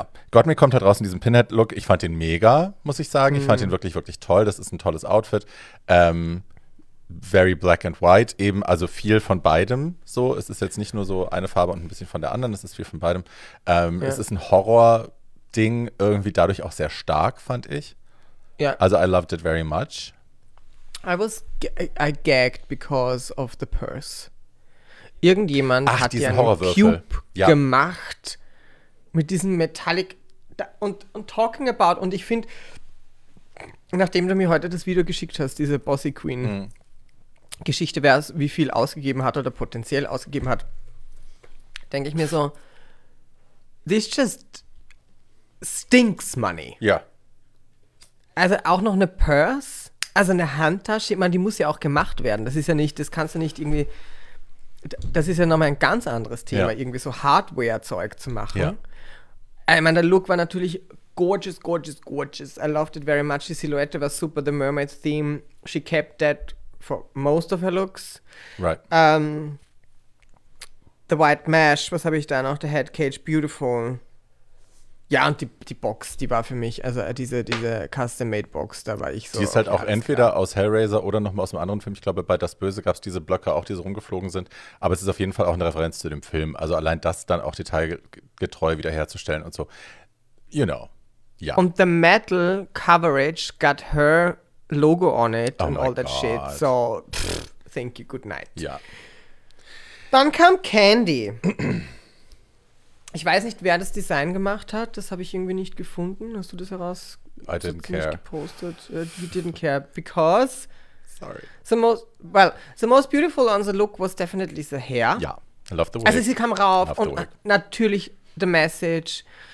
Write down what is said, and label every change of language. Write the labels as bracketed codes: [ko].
[de] Gottmik kommt halt raus in diesem Pinhead-Look. Ich fand den mega, muss ich sagen. Ich fand den wirklich, wirklich toll. Das ist ein tolles Outfit. [en] Very black and white, [de] eben, also viel von beidem. So, es ist jetzt nicht nur so eine Farbe und ein bisschen von der anderen, es ist viel von beidem. Ja. Es ist ein Horror- Ding irgendwie dadurch auch sehr stark, fand ich. Ja. [en] Also, I loved it very much. I gagged because of the purse. [de] Irgendjemand hat diesen einen Cube gemacht mit diesem Metallic. Und talking about, und ich finde, nachdem du mir heute das Video geschickt hast, diese Bossy Queen Geschichte, wer wie viel ausgegeben hat oder potenziell ausgegeben hat, denke ich mir so, [en] this just stinks money. [de] Ja. Also auch noch eine Purse, also eine Handtasche, ich meine, die muss ja auch gemacht werden. Das ist ja nicht, das kannst du nicht irgendwie, das ist ja nochmal ein ganz anderes Thema, irgendwie so Hardware-Zeug zu machen. Ja. Ich meine, der Look war natürlich gorgeous, gorgeous, gorgeous. [en] I loved it very much. [de] Die Silhouette war super. [en] The mermaid theme, she kept that for most of her looks. Right. The white mesh, [de] was habe ich da noch? [en] The head cage, beautiful. [de] Ja, und die Box, die war für mich, also diese custom-made Box, da war ich so. Die ist halt auch entweder aus Hellraiser oder nochmal aus einem anderen Film. Ich glaube, bei Das Böse gab es diese Blöcke auch, die so rumgeflogen sind. Aber es ist auf jeden Fall auch eine Referenz zu dem Film. Also allein das dann auch detailgetreu wiederherzustellen und so. [en] You know, ja. Und the metal coverage got her logo on it and all that shit. So, thank you, good night. [de] Ja. Dann kam Candy. Ich weiß nicht, wer das Design gemacht hat. Das habe ich irgendwie nicht gefunden. Hast du das heraus? [en] I didn't care. [de] Gepostet? [en] You didn't care because. Sorry. The most beautiful on the look was definitely the hair. Ja, I love the wig. [de] Also sie kam rauf und natürlich [en] the message.